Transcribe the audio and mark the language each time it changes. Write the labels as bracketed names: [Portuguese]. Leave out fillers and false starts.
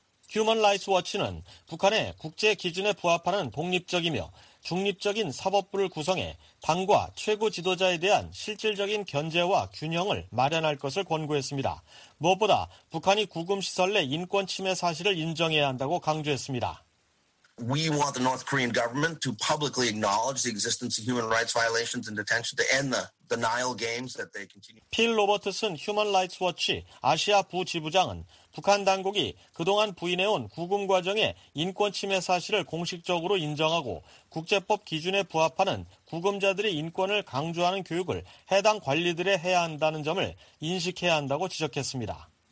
[Korean] 휴먼 라이츠 워치는 북한의 국제 기준에 부합하는 독립적이며 중립적인 사법부를 구성해 당과 최고 지도자에 대한 실질적인 견제와 균형을 마련할 것을 권고했습니다. 무엇보다 북한이 구금시설 내 인권 침해 사실을 인정해야 한다고 강조했습니다. [English] We want the North Korean government to publicly acknowledge the existence of human rights violations in detention to end the denial games that they continue. [Korean] 필 로버트슨 휴먼 라이츠 워치 아시아 부지부장은 북한 당국이 그동안 부인해온 구금 과정의 인권 침해 사실을 공식적으로 인정하고 국제법 기준에 부합하는 구금자들의 인권을 강조하는 교육을 해당 관리들에 해야 한다는 점을 인식해야 한다고 지적했습니다.